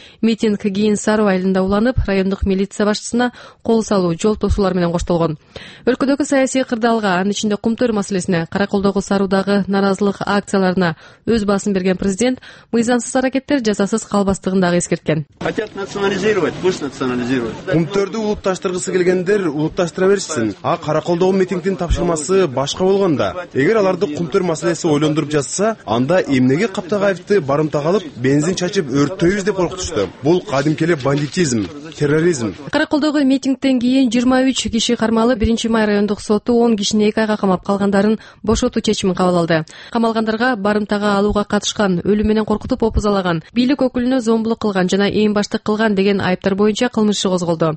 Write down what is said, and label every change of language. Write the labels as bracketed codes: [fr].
[ky] Митинг кийин Сарып айылында уланып, райондук милиция башчысына кол салуу, жол тосуулар менен коштолгон. Өлкөдөгү саясий кырдаалга, анын ичинде кумтөр маселеси, Караколдогу Сарудагы нааразылык акцияларына өз басын берген президент мыйзамсыз аракеттер жазасыз калбастыгын дагы эскерткен. [ru] Хотят национализировать, пусть национализируют. [ky] Кумтөрдү улутташтыргысы келгендер улутташтыра берсин. А Караколдогу митингдин тапшырмасы башка болгонда, эгер аларды кумтөр маселеси ойлондуруп жатса, анда эмнеге Каптагаевди барымтага алып, бензин чачып өрттөйбүз деп коркутушту. Бул кадимки эле бандитизм, терроризм. Караколдогу митингден кийин 23 киши кармалып, 1 май райондук соту 10 кишини 2 айга камап калган бошотуу чечимин кабыл алды. Камалгандарга барымтага алууга катышкан, өлүм менен коркутуп опузалаган, бийлик өкүлүнө зомбулук кылган жана ээнбаштык кылган деген айыптар боюнча кылмыш иши козголду.